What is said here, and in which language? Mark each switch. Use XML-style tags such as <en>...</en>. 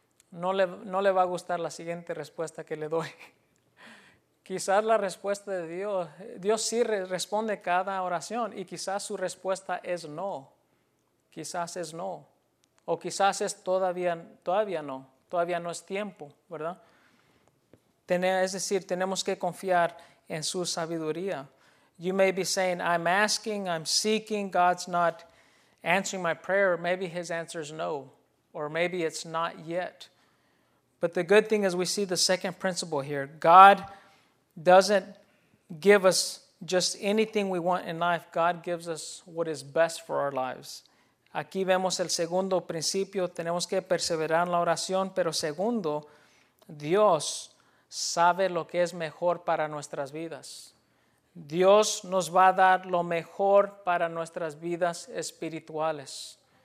<es>No le va a gustar la siguiente respuesta que le doy. Quizás la respuesta de Dios, Dios sí responde cada oración y quizás su respuesta es no. Quizás es no. O quizás es todavía no. Todavía no es tiempo, ¿verdad? Es decir, tenemos que confiar en su sabiduría.</es> <en>You may be saying, I'm asking, I'm seeking, God's not answering my prayer. Maybe his answer is no. Or maybe it's not yet. But the good thing is we see the second principle here. God doesn't give us just anything we want in life. God gives us what is best for our lives.</en> <es>Aquí vemos el segundo principio. Tenemos que perseverar en la oración. Pero segundo, Dios sabe lo que es mejor para nuestras vidas. Dios nos va a dar lo mejor para nuestras vidas espirituales.</es>